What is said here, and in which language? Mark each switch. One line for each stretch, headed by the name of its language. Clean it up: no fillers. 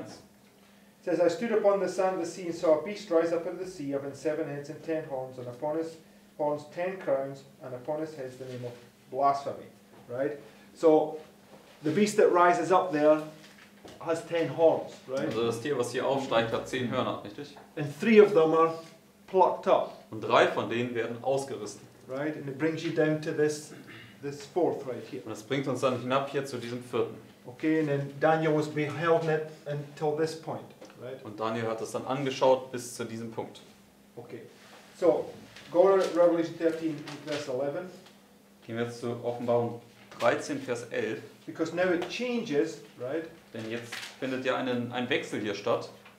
English: it says, I stood upon the sand of the sea and saw a beast rise up out of the sea, having seven heads and ten horns, and upon his horns ten crowns, and upon his heads the name of blasphemy. Right? So, the beast that rises up there has ten horns, right?
German: Also das Tier, was hier aufsteigt, hat zehn Hörner, richtig?
English: And three of them are plucked up.
German: Und drei von denen werden ausgerissen.
English: Right? And it brings you down to this fourth right here.
German: Und das bringt uns dann hinab hier zu diesem vierten.
English: Okay, and then Daniel was beheld it until this point, right?
German: Und Daniel hat es dann angeschaut bis zu diesem Punkt.
English: Okay, so go to Revelation 13, verse 11.
German: Gehen wir jetzt zu Offenbarung 13, Vers 11.
English: Because now it changes, right?
German: Denn jetzt findet ja ein Wechsel hier statt.